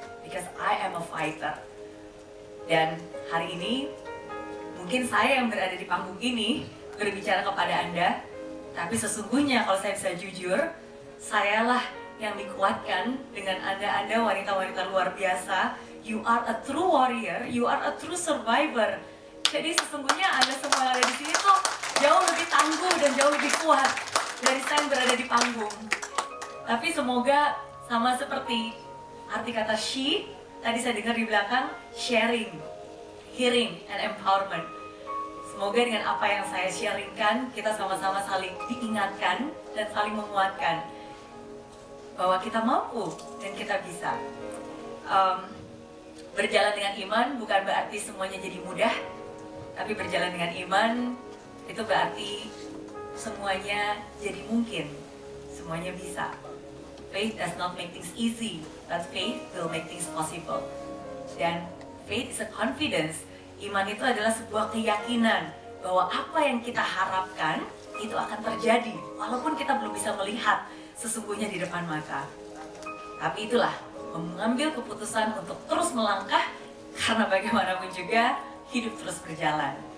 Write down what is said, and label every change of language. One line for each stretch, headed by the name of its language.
English: Because I am a fighter.
Indonesian: Dan hari ini, mungkin saya yang berada di panggung ini berbicara kepada Anda, tapi sesungguhnya kalau saya bisa jujur, sayalah yang dikuatkan dengan Anda-Anda wanita-wanita luar biasa.
English: You are a true warrior, you are a true survivor.
Indonesian: Jadi sesungguhnya Anda semua yang ada di sini tuh jauh lebih tangguh dan jauh lebih kuat dari saya yang berada di panggung. Tapi semoga sama seperti arti kata she, tadi saya dengar di belakang, sharing, hearing, and empowerment. Semoga dengan apa yang saya sharingkan, kita sama-sama saling diingatkan dan saling menguatkan. Bahwa kita mampu dan kita bisa. Berjalan dengan iman bukan berarti semuanya jadi mudah. Tapi berjalan dengan iman itu berarti semuanya jadi mungkin. Semuanya bisa.
English: Faith does not make things easy, but faith will make things possible. Dan faith is a confidence.
Indonesian: Iman itu adalah sebuah keyakinan bahwa apa yang kita harapkan itu akan terjadi, walaupun kita belum bisa melihat sesungguhnya di depan mata. Tapi itulah, mengambil keputusan untuk terus melangkah, karena bagaimanapun juga, hidup terus berjalan.